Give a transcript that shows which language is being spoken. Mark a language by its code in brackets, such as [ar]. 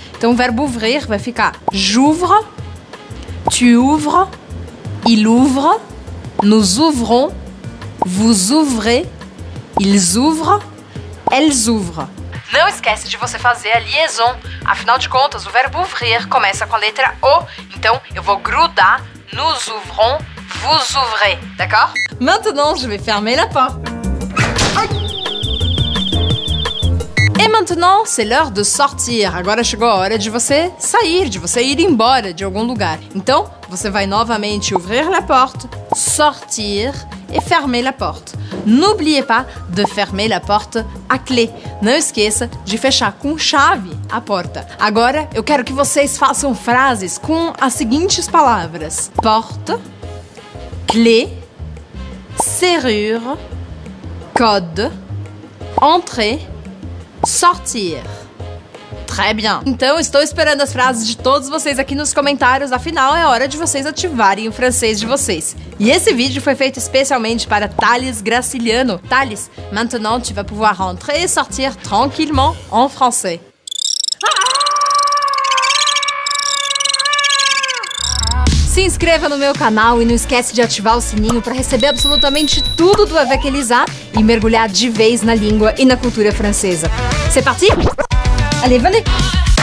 [pt] Então o verbo ouvrir vai ficar [fr] j'ouvre, tu ouvres, il ouvre, nous ouvrons, vous ouvrez, ils ouvrent, elles ouvrent. [pt] Não esquece de você fazer a liaison. Afinal de contas, o verbo ouvrir começa com a letra O. Então, eu vou grudar. [fr] Nous ouvrons, vous ouvrez. D'accord? Maintenant, je vais fermer la porte. Et maintenant, c'est l'heure de sortir. [pt] Agora chegou a hora de você sair, de você ir embora de algum lugar. Então, você vai novamente [fr] ouvrir la porte, [pt] sortir e [fr] fermer la porte. N'oubliez pas de fermer la porte à clé. [pt] Não esqueça de fechar com chave a porta. Agora, eu quero que vocês façam frases com as seguintes palavras. [fr] Porte, clé, serrure, code, entrée, sortir. Très bien. [pt] Então, estou esperando as frases de todos vocês aqui nos comentários. Afinal, é hora de vocês ativarem o francês de vocês. E esse vídeo foi feito especialmente para Thales Graciliano. [fr] Thales, maintenant tu vas pouvoir entrer et sortir tranquillement en français. [pt] Se inscreva no meu canal e não esquece de ativar o sininho para receber absolutamente tudo do Avec Elisa e mergulhar de vez na língua e na cultura francesa. [fr] C'est parti? Allez, venez!